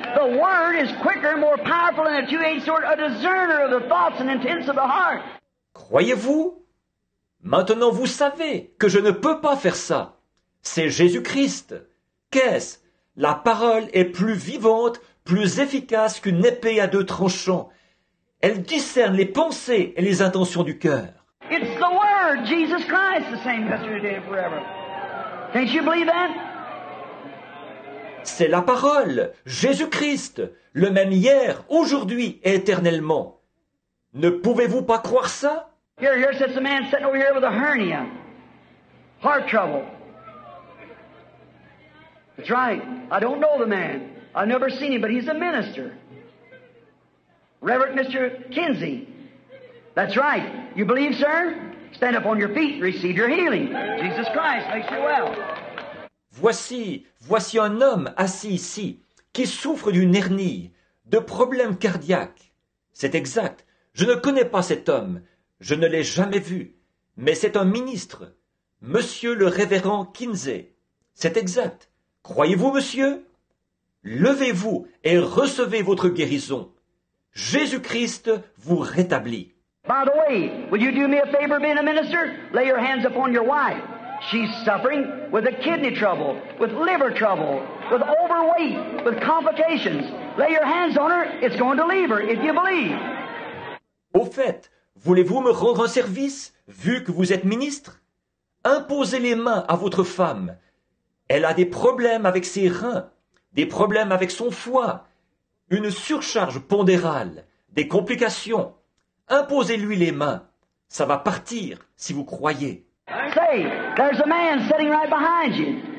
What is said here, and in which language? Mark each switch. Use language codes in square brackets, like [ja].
[en] The word is quicker, more powerful than a two-edged sword, a discerner of the thoughts and intents of the heart. [fr] Croyez-vous? Maintenant vous savez que je ne peux pas faire ça. C'est Jésus-Christ. Qu'est-ce? La parole est plus vivante, plus efficace qu'une épée à deux tranchants. Elle discerne les pensées et les intentions du cœur. [en] It's the word, Jesus Christ, the same yesterday and forever. Can't you believe that? [fr] C'est la parole, Jésus-Christ, le même hier, aujourd'hui et éternellement. Ne pouvez-vous pas croire ça? [en] Here sits a man sitting over here with a hernia. Heart trouble. That's right. I don't know the man. I've never seen him, but he's a minister. Reverend Mr. Kinsey. That's right. You believe, sir? Stand up on your feet and receive your healing. Jesus Christ makes you well. [fr] Voici un homme assis ici qui souffre d'une hernie, de problèmes cardiaques. C'est exact. Je ne connais pas cet homme. Je ne l'ai jamais vu. Mais c'est un ministre. Monsieur le révérend Kinsey. C'est exact. Croyez-vous, monsieur? Levez-vous et recevez votre guérison. Jésus-Christ vous rétablit. [en] By the way, would you do me a favor being a minister? Lay your hands upon your wife. She's suffering with a kidney trouble, with liver trouble, with overweight, with complications. Lay your hands on her, it's going to leave her, if you believe. [fr] Au fait, voulez-vous me rendre un service, vu que vous êtes ministre? Imposez les mains à votre femme. Elle a des problèmes avec ses reins, des problèmes avec son foie, une surcharge pondérale, des complications. Imposez-lui les mains. Ça va partir, si vous croyez. [en] Say, there's a man sitting right behind you.